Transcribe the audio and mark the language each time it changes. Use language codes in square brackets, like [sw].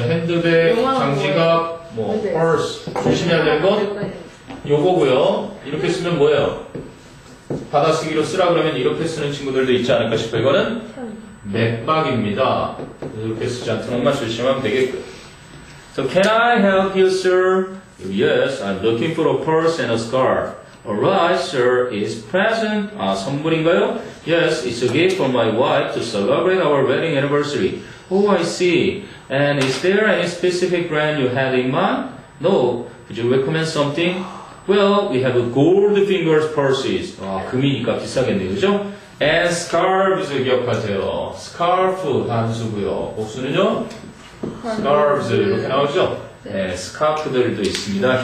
[ko] 핸드백, 장지갑, 뭐, 펄스. 조심해야 될 건 요거고요. 이렇게 쓰면 뭐예요? 받아쓰기로 쓰라 그러면 이렇게 쓰는 친구들도 있지 않을까 싶어요. 이거는 맥박입니다. 이렇게 쓰지 않도록만 조심하면 되겠고. [en] So, can I help you, sir? Yes, I'm looking for a purse and a scarf. Alright, sir, is present. [ko] 아, 선물인가요? [en] Yes, it's a gift for my wife to celebrate our wedding anniversary. Oh, I see. And is there any specific brand you had in mind? No. Would you recommend something? Well, we have a gold fingers purses. [ko] 아, 금이니까 비싸겠네요, 그죠? [en] And scarves [ko] 기억하세요. Scarf 단수고요. 복수는요? Scarves 이렇게 나오죠? 네, 스카프들도 있습니다.